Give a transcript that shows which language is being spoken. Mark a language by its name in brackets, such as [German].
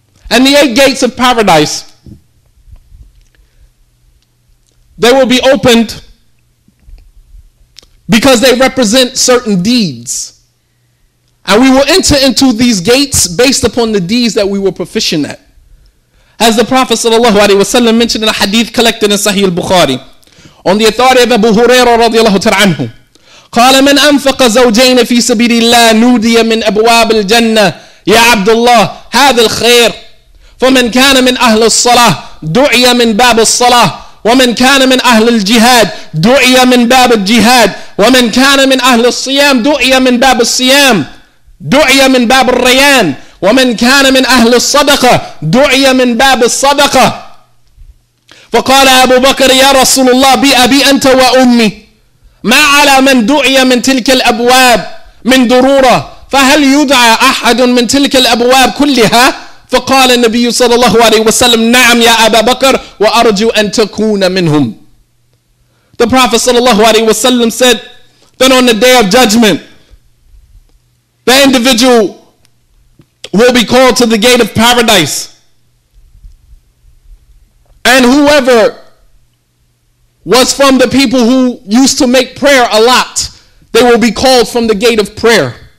[English] And the eight gates of paradise, they will be opened because they represent certain deeds. And we will enter into these gates based upon the deeds that we were proficient at. As the Prophet sallallahu alaihi wasallam mentioned in a hadith collected in Sahih al-Bukhari, on the authority of Abu Huraira radiallahu ta'ala anhu, [Arabic] قال من أنفق زوجين في سبيل الله نودي من أبواب الجنة يا عبد الله هذا الخير فمن كان من أهل الصلاة دعي من باب الصلاة ومن كان من أهل الجهاد دعي من باب الجهاد ومن كان من أهل الصيام دعي من باب الصيام دعي من باب الريان ومن كان من أهل الصدقة دعي من باب الصدقة فقال أبو بكر يا رسول الله بأبي أنت وأمي ما على من دعي من تلك الأبواب من ضرورة فهل يدعى أحد من تلك الأبواب كلها فقال النبي صلى الله عليه وسلم نعم يا أبا بكر وأرجو أن تكون منهم. [English] The Prophet [Arabic] صلى الله عليه وسلم [English] said that on the day of judgment the individual will be called to the gate of paradise, and whoever was from the people who used to make prayer a lot, they will be called from the gate of prayer.